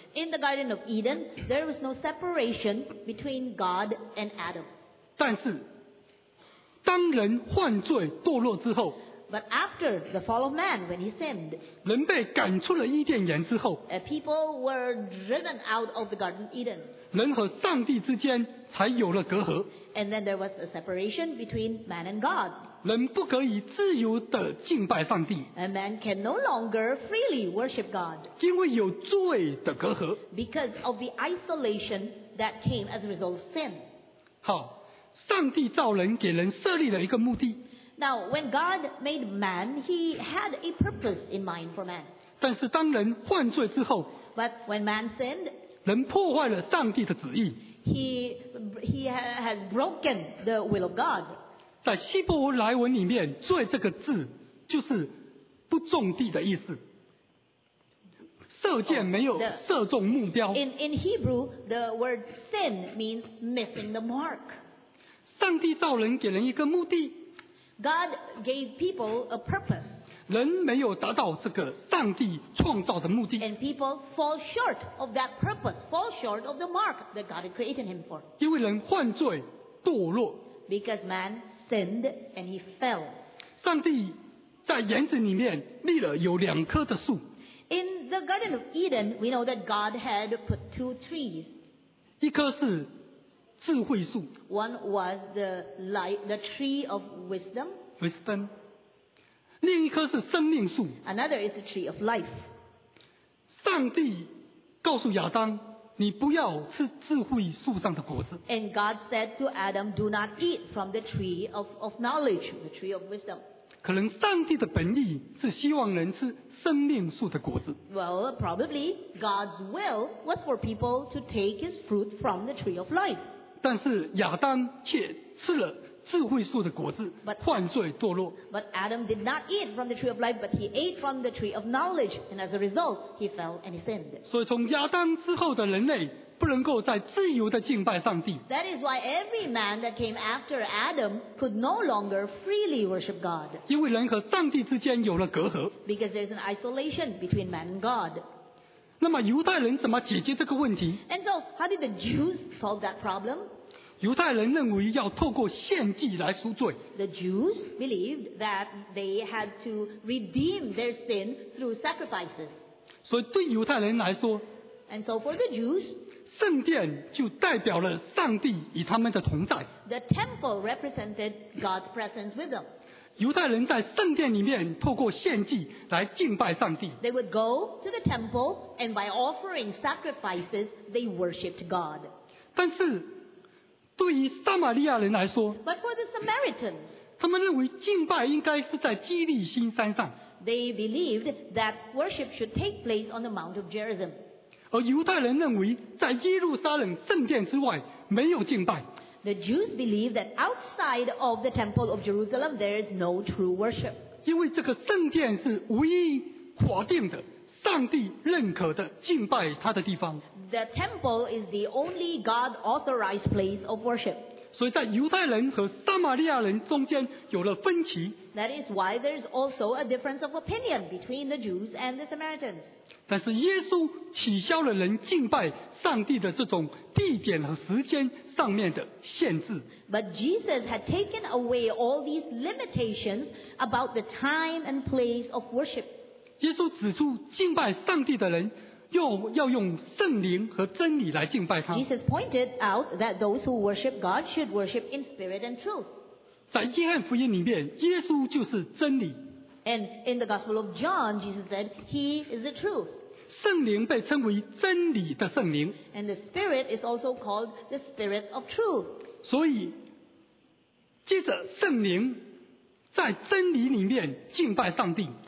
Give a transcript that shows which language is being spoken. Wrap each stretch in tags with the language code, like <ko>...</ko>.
<en>In the Garden of Eden, there was no separation between God and Adam.</en> <zh>但是，当人犯罪堕落之后。</zh> <en>But after the fall of man, when he sinned,</en> <zh>人被赶出了伊甸园之后，</zh> <en>people were driven out of the Garden of Eden.</en> <zh>人和上帝之间才有了隔阂。</zh> <en>And then there was a separation between man and God.</en> <zh>人不可以自由地敬拜上帝。</zh> <en>A man can no longer freely worship God.</en> <zh>因为有罪的隔阂。</zh> <en>Because of the isolation that came as a result of sin.</en> <zh>好，上帝造人，给人设立了一个目的。</zh> <en>Now, when God made man, he had a purpose in mind for man.</en> <zh>但是当人犯罪之后，</zh> <en>But when man sinned,</en> <zh>人破坏了上帝的旨意，</zh> <en>he has broken the will of God.</en> <zh>在希伯来文里面，罪这个字就是不中地的意思。射箭没有射中目标。</zh> <en>In Hebrew, the word sin means missing the mark.</en> <zh>上帝造人给人一个目的。</zh> <en>God gave people a purpose.</en> <zh>人没有达到这个上帝创造的目的。</zh> <en>And people fall short of that purpose, fall short of the mark that God had created him for.</en> <zh>因为人犯罪堕落。</zh> <en>Because man sinned and he fell.</en> <zh>上帝在园子里面立了有两棵的树。</zh> <en>In the Garden of Eden, we know that God had put two trees.</en> <zh>一棵是智慧树。</zh> <en>One was the tree of wisdom.</en> <zh>Wisdom. 另一棵是生命树。</zh> <en>Another is the tree of life.</en> <zh>上帝告诉亚当，你不要吃智慧树上的果子。</zh> <en>And God said to Adam, "Do not eat from the tree of knowledge, the tree of wisdom."</en> <zh>可能上帝的本意是希望人吃生命树的果子。</zh> <en>Well, probably God's will was for people to take his fruit from the tree of life.</en> <zh>但是亚当却吃了智慧树的果子，犯罪堕落。</zh> <en>But Adam did not eat from the tree of life, but he ate from the tree of knowledge, and as a result, he fell and he sinned.</en> <zh>所以从亚当之后的人类不能够再自由地敬拜上帝。</zh> <en>That is why every man that came after Adam could no longer freely worship God.</en> <zh>因为人和上帝之间有了隔阂。</zh> <en>Because there is an isolation between man and God.</en> <zh>那么犹太人怎么解决这个问题？</zh> <en>And so, how did the Jews solve that problem?</en> <zh>犹太人认为要透过献祭来赎罪。</zh> <en>The Jews believed that they had to redeem their sin through sacrifices.</en> <zh>所以对犹太人来说，</zh> <en>And so for the Jews,</en> <zh>圣殿就代表了上帝与他们的同在。</zh> <en>The temple represented God's presence with them.</en> <zh>犹太人在圣殿里面透过献祭来敬拜上帝。</zh> <en>They would go to the temple and by offering sacrifices they worshipped God.</en> <zh>但是对于撒玛利亚人来说，</zh> <en>But for the Samaritans,</en> <zh>他们认为敬拜应该是在基利心山上。</zh> <en>They believed that worship should take place on the Mount of Gerizim.</en> <zh>而犹太人认为在耶路撒冷圣殿之外没有敬拜。</zh> <en>The Jews believe that outside of the temple of Jerusalem, there is no true worship.</en> <zh>因为这个圣殿是唯一法定的，上帝认可的敬拜他的地方。</zh> <en>The temple is the only God-authorized place of worship.</en> <zh>所以在犹太人和撒玛利亚人中间有了分歧。</zh> <en>That is why there is also a difference of opinion between the Jews and the Samaritans.</en> <zh>但是耶稣取消了人敬拜上帝的这种地点和时间上面的限制。</zh> <en>But Jesus had taken away all these limitations about the time and place of worship.</en> <zh>耶稣指出敬拜上帝的人要用圣灵和真理来敬拜他。</zh> <en>Jesus pointed out that those who worship God should worship in spirit and truth.</en> <zh>在约翰福音里面，耶稣就是真理。</zh> <en>And in the Gospel of John, Jesus said, He is the truth.</en> <zh>圣灵被称为真理的圣灵。</zh> <en>And the Spirit is also called the Spirit of truth.</en> <zh>所以，借着圣灵，在真理里面敬拜上帝。</zh>